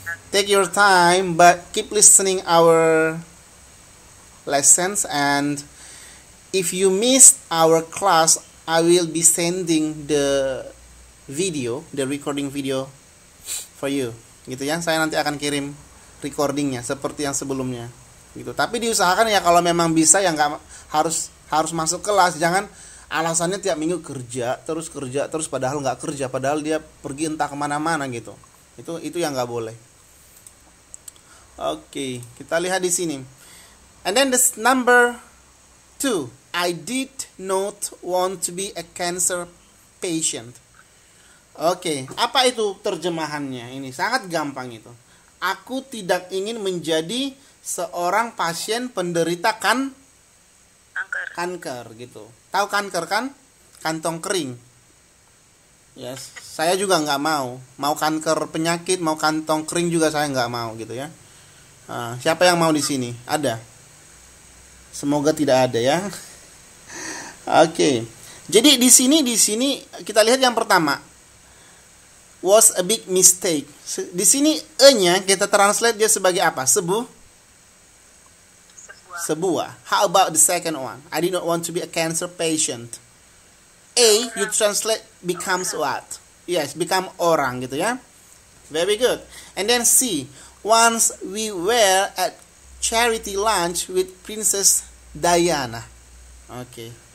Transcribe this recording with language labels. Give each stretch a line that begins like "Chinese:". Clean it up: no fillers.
English: Take your time but keep listening our lessons, and if you miss our class, I will be sending the recording video for you.
Indonesian: Gitu ya, saya nanti akan kirim recordingnya seperti yang sebelumnya. Gitu. Tapi diusahakan ya kalau memang bisa ya nggak harus masuk kelas. Jangan alasannya tiap minggu kerja terus padahal nggak kerja, padahal dia pergi entah kemana-mana gitu. Itu yang nggak boleh. Oke, kita lihat di sini.
English: And then this number 2, I did not want to be a cancer patient.
Indonesian: Oke, apa itu terjemahannya ini? Sangat gampang itu. Aku tidak ingin menjadi seorang pasien penderita kanker gitu. Tahu kanker kan? Kantong kering. Yes, saya juga enggak mau. Mau kanker penyakit, mau kantong kering juga saya enggak mau gitu ya. Siapa yang mau di sini? Ada? Semoga tidak ada ya. Oke. Jadi di sini kita lihat yang pertama.
English: Was a big mistake.
Indonesian: Di sini e-nya kita translate dia sebagai apa? Sebuah.
English: How about the second one? I did not want to be a cancer patient. A you translate becomes what? Yes, become
Indonesian: orang gitu ya.
English: Very good. And then C, once we were at charity lunch with Princess Diana. Okay.